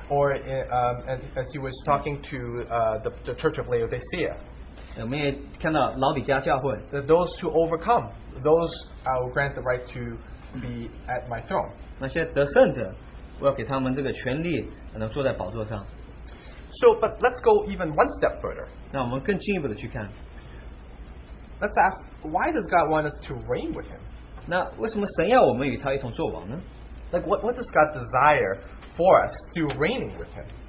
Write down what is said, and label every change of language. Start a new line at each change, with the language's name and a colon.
English: Or as he was talking to the church of Laodicea,
Chinese: 我们也看到老底嘉教会，
English: that those who overcome, those I will grant the right to be at my throne.
Chinese: 那些得胜者， 我要给他们这个权利，能坐在宝座上。
English: So, but let's go even one step further.
Chinese: 那我们更进一步的去看。
English: Let's ask, why does God want us to reign with Him?
Chinese: 那为什么神要我们与他一同作王呢？
English: Like, what does God desire for us through reigning with Him?